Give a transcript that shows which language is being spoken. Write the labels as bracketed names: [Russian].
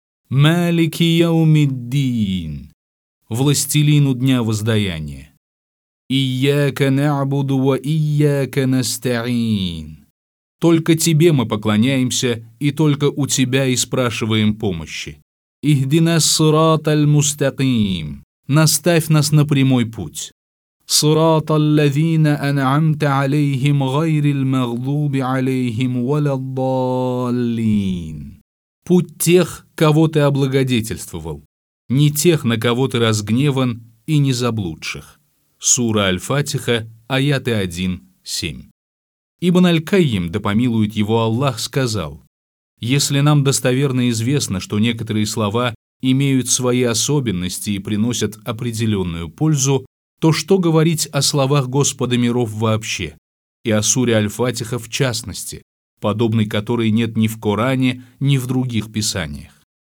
[Arabic] مالك يوم الدين [Russian] Властелину дня воздаяния. [Arabic] إياك نعبد وإياك نستعين. [Russian] Только тебе мы поклоняемся и только у тебя и спрашиваем помощи. [Arabic] إهدنا الصراط المستقيم. [Russian] Наставь нас на прямой путь. [Arabic] صراط الذين أنعمت عليهم غير المغضوب عليهم ولا الضالين. [Russian] Путь тех, кого ты облагодетельствовал, не тех, на кого ты разгневан, и не заблудших. Сура Аль-Фатиха, аяты 1-7. Ибн Аль-Кайим, да помилует его Аллах, сказал: «Если нам достоверно известно, что некоторые слова имеют свои особенности и приносят определенную пользу, то что говорить о словах Господа миров вообще, и о суре Аль-Фатиха в частности, подобной которой нет ни в Коране, ни в других писаниях?»